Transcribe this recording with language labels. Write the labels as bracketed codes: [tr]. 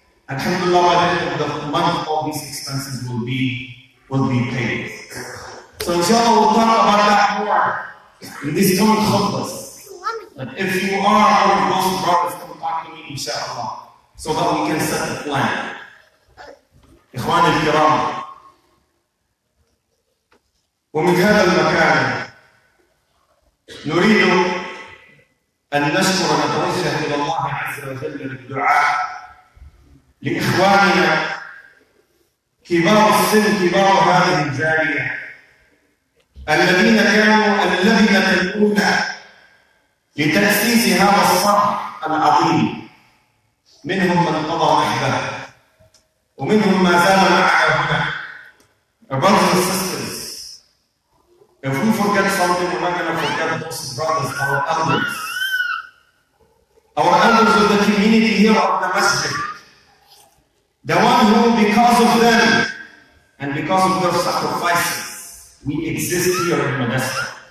[en] الحمد لله by the end of the month, all these expenses will be paid. So inshallah, we'll talk about that more in this coming khutbah. But if you are one of those brothers, come talk to me, inshallah, so that we can set the plan. [ar] إخواني الكرام، ومن هذا المكان نريد أن نشكر ونتوجه إلى الله عز وجل بالدعاء لإخواننا كبار السن، كبار هذه الجالية، الذين كانوا اللبنة الأولى لتأسيس هذا الصرح العظيم. منهم من قضى نحبه، ومنهم ما زال معنا هنا. [en] Brothers and sisters, if we forget something, we're not going to forget those brothers, our elders. Our elders of the community here of the masjid. The one who, because of them, and because of their sacrifices, we exist here in Manasa.